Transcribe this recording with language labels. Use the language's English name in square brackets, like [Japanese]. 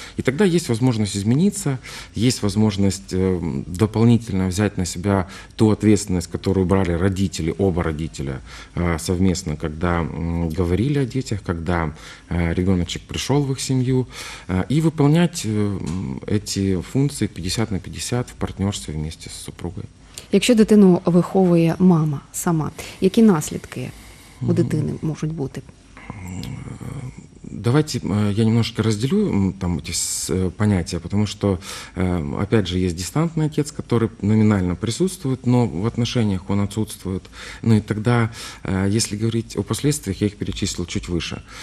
[Russian] И тогда есть возможность измениться, есть возможность дополнительно взять на себя ту ответственность, которую брали родители, оба родителя совместно, когда говорили о детях, когда ребеночек пришел в их семью, и выполнять эти функции 50 на 50 в партнерстве вместе с супругой. [Ukrainian] Якщо дитину виховує мама сама, які наслідки у дитини можуть бути? [Russian] Давайте я немножко разделю там эти понятия, потому что, опять же, есть дистантный отец, который номинально присутствует, но в отношениях он отсутствует. Ну и тогда, если говорить о последствиях, я их перечислил чуть выше.